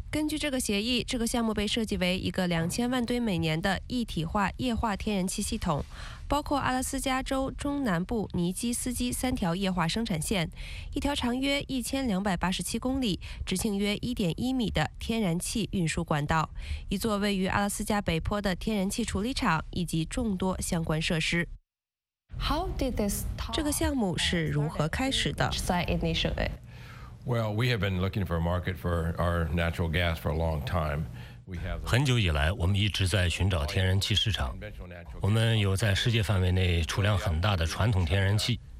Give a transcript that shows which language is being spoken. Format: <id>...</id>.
<zh>根据这个协议，这个项目被设计为一个2000万吨每年的一体化液化天然气系统，包括阿拉斯加州中南部尼基斯基3条液化生产线，一条长约1287公里、直径约1.1米的天然气运输管道，一座位于阿拉斯加北坡的天然气处理厂，以及众多相关设施。</zh> <en>How did this talk?</en> <zh>这个项目是如何开始的？</zh> <en>Well, we have been looking for a market for our natural gas for a long time.</en> <zh>很久以来，我们一直在寻找天然气市场。我们有在世界范围内储量很大的传统天然气。</zh>